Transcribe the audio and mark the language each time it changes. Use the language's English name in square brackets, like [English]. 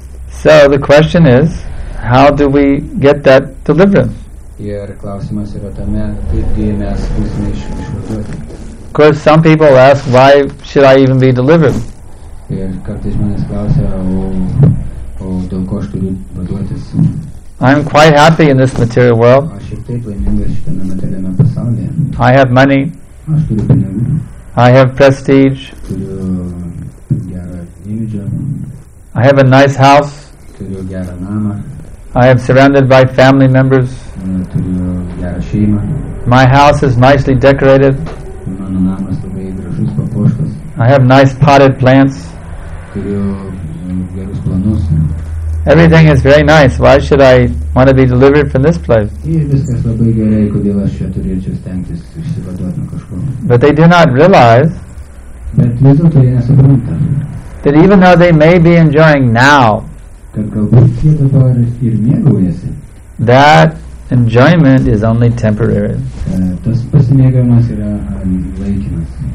[English] So the question is, how do we get that deliverance? [Lithuanian] Ir klausimas yra tame, kaipgi mes būsime išvaduoti. [English] Of course, some people ask, why should I even be delivered? [Lithuanian] Ir kartais žmonės klausia, o dėl ko aš turiu vaduotis? [English] I'm quite happy in this material world. [Lithuanian] Aš šiek tiek laimingas šitame materialiame pasaulyje. [English] I have money. [Lithuanian] Aš turiu pinigų. [English] I have prestige. [Lithuanian] Turiu gerą imidžą. [English] I have a nice house. [Lithuanian] Turiu gerą namą. [English] I am surrounded by family members. [Lithuanian] Turiu gerą šeimą. [English] My house is nicely decorated. [Lithuanian] Mano namas labai gražus papuoštas. [English] I have nice potted plants. [Lithuanian] Turiu gerus planus. [English] Everything is very nice. Why should I want to be delivered from this place? [Lithuanian] Viskas labai gerai, kodėl aš čia turėčiau stengtis išsivaduoti nuo kažko. [English] But they do not realize. [Lithuanian] Bet vis dėlto jie nesupranta. [English] That even though they may be enjoying now. [Lithuanian] Kad galbūt jie dabar ir mėgaujasi. [English] That enjoyment is only temporary. [Lithuanian] Tas pasimėgavimas yra laikinas.